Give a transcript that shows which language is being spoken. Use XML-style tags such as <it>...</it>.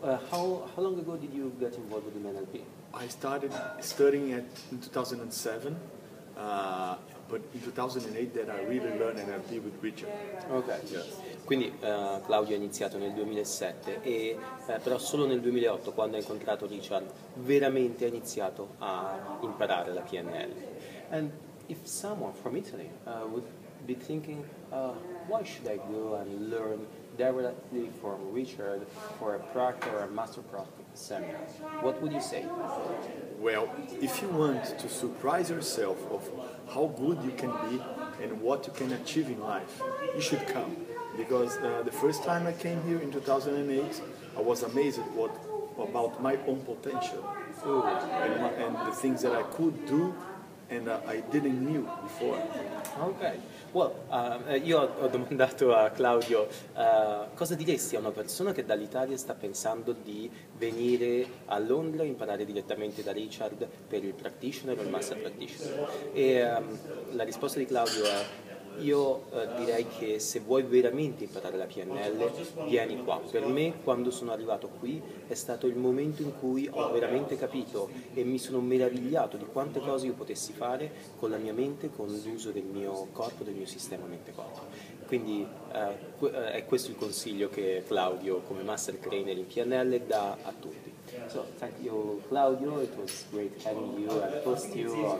<en>How long ago did you get involved with the NLP? I started studying in 2007. But in 2008 that I really learned NLP with Richard. Okay. Yes.</en> <it>Quindi Claudio ha iniziato nel 2007 e però solo nel 2008 quando ha incontrato Richard veramente ha iniziato a imparare la PNL.</it> <en>And if someone from Italy would be thinking why should I go and learn directly from Richard for a practice or a master practice seminar, what would you say? Well, if you want to surprise yourself of how good you can be and what you can achieve in life, you should come. Because the first time I came here in 2008, I was amazed about my own potential and the things that I could do and I didn't knew before. Okay.</en> <it>Well, io ho domandato a Claudio cosa diresti a una persona che dall'Italia sta pensando di venire a Londra e imparare direttamente da Richard per il practitioner o il master practitioner. E la risposta di Claudio è: io direi che se vuoi veramente imparare la PNL, vieni qua. Per me, quando sono arrivato qui, è stato il momento in cui ho veramente capito e mi sono meravigliato di quante cose io potessi fare con la mia mente, con l'uso del mio corpo, del mio sistema mente-corpo. Quindi è questo il consiglio che Claudio, come Master Trainer in PNL, dà a tutti.</it> <en>So, thank you Claudio, it was great having you and host you.</en>